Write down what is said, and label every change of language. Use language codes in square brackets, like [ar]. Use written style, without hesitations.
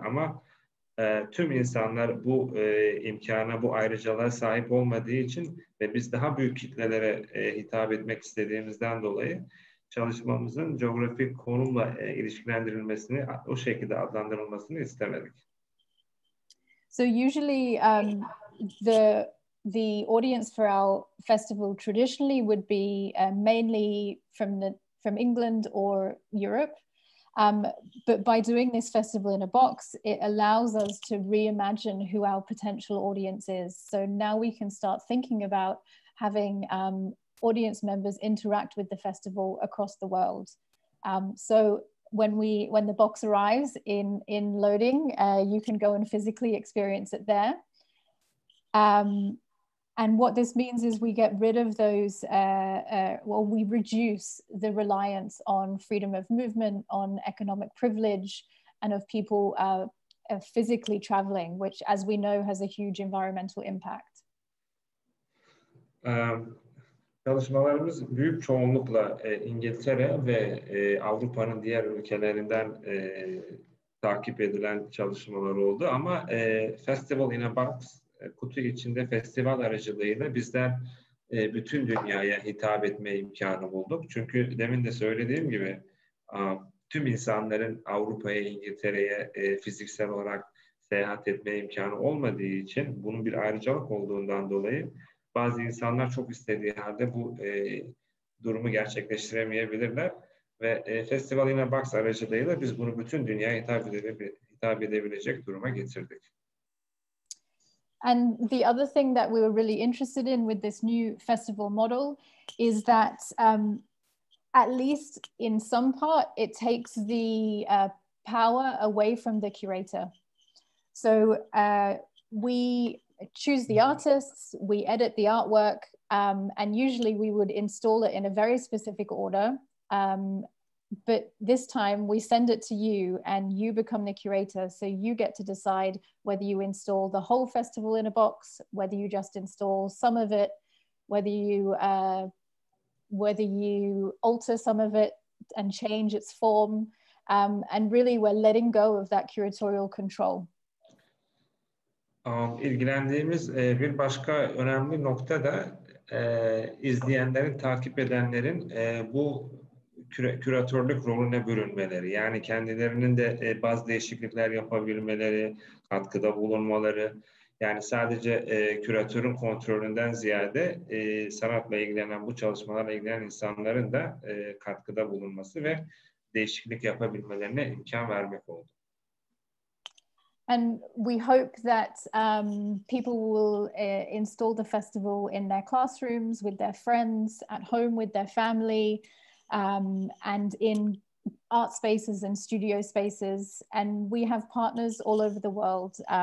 [tr] Ama tüm insanlar bu imkana, bu ayrıcalığa sahip olmadığı için ve biz daha büyük kitlelere hitap etmek istediğimizden dolayı çalışmamızın coğrafik konumla ilişkilendirilmesini, o şekilde adlandırılmasını istemedik. [en] So usually the audience for our festival traditionally would be mainly from England or Europe. But by doing this festival in a box, it allows us to reimagine who our potential audience is. So now we can start thinking about having audience members interact with the festival across the world. So when the box arrives in loading, you can go and physically experience it there. And what this means is we get rid of those, we reduce the reliance on freedom of movement, on economic privilege, and of people physically traveling, which, as we know, has a huge environmental impact. [tr] Çalışmalarımız büyük çoğunlukla İngiltere ve Avrupa'nın diğer ülkelerinden takip edilen çalışmalar oldu. Ama Festival in a Box, kutu içinde festival aracılığıyla bizler bütün dünyaya hitap etme imkanı bulduk. Çünkü demin de söylediğim gibi tüm insanların Avrupa'ya, İngiltere'ye fiziksel olarak seyahat etme imkanı olmadığı için, bunun bir ayrıcalık olduğundan dolayı bazı insanlar çok istediği halde bu durumu gerçekleştiremeyebilirler ve Festival in a Box aracılığıyla biz bunu bütün dünyaya hitap edebilecek duruma getirdik. [en] And the other thing that we were really interested in with this new festival model is that at least in some part it takes the power away from the curator. So we choose the artists, we edit the artwork, and usually we would install it in a very specific order. But this time we send it to you and you become the curator. So you get to decide whether you install the whole festival in a box, whether you just install some of it, whether you alter some of it and change its form. And really we're letting go of that curatorial control. [tr] İlgilendiğimiz bir başka önemli nokta da izleyenlerin, takip edenlerin bu küratörlük rolüne bürünmeleri. Yani kendilerinin de bazı değişiklikler yapabilmeleri, katkıda bulunmaları. Yani sadece küratörün kontrolünden ziyade sanatla ilgilenen, bu çalışmalarla ilgilenen insanların da katkıda bulunması ve değişiklik yapabilmelerine imkan vermek oldu. [en] And we hope that people will install the festival in their classrooms, with their friends, at home with their family, and in art spaces and studio spaces. And we have partners all over the world.